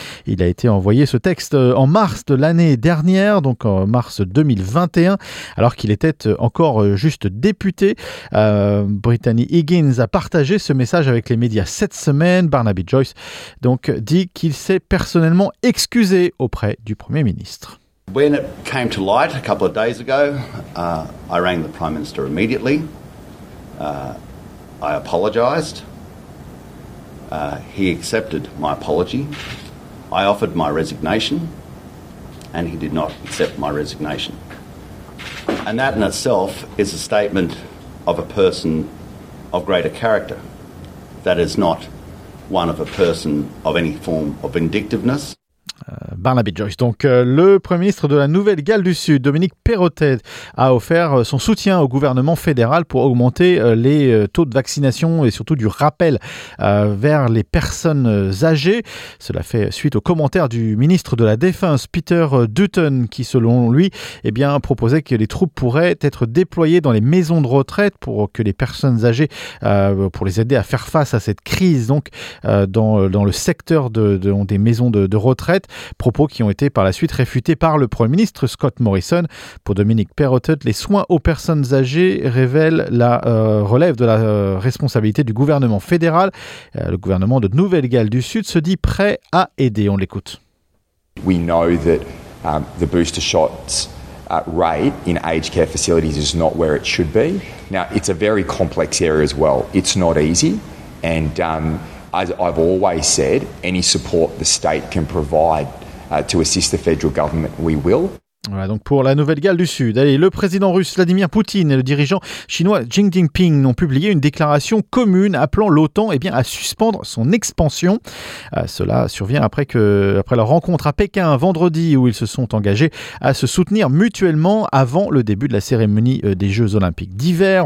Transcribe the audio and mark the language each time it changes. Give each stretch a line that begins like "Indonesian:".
French: Il a été envoyé ce texte en mars de l'année dernière, donc en mars 2021, alors qu'il était encore juste député. Brittany Higgins a partagé ce message avec les médias cette semaine. Barnaby Joyce donc dit qu'il s'est personnellement excusé auprès du Premier ministre.
English: When it came to light a couple of days ago, I rang the Prime Minister immediately. I apologized. He accepted my apology. I offered my resignation, and he did not accept my resignation. And that in itself is a statement of a person of greater character. That is not one of a person of any form of vindictiveness. Barnaby Joyce.
French: Donc, le Premier ministre de la Nouvelle-Galles du Sud, Dominique Perrottet, a offert son soutien au gouvernement fédéral pour augmenter les taux de vaccination et surtout du rappel vers les personnes âgées. Cela fait suite aux commentaires du ministre de la Défense, Peter Dutton, qui, selon lui, proposait que les troupes pourraient être déployées dans les maisons de retraite pour que les personnes âgées, pour les aider à faire face à cette crise, donc dans le secteur des maisons de retraite. Propos qui ont été par la suite réfutés par le Premier ministre Scott Morrison. Pour Dominique Perrottet, les soins aux personnes âgées relèvent de la responsabilité du gouvernement fédéral. Le gouvernement de Nouvelle-Galles du Sud se dit prêt à aider. On l'écoute.
English: We know that the booster shots rate in aged care facilities is not where it should be. Now, it's a very complex area as well. It's not easy. And as I've always said, any support the state can provide to assist the federal government, we will.
French: Voilà, donc pour la Nouvelle-Galles du Sud. Allez, le président russe Vladimir Poutine et le dirigeant chinois Xi Jinping ont publié une déclaration commune appelant l'OTAN à suspendre son expansion. Cela survient après leur rencontre à Pékin vendredi où ils se sont engagés à se soutenir mutuellement avant le début de la cérémonie des Jeux Olympiques d'hiver.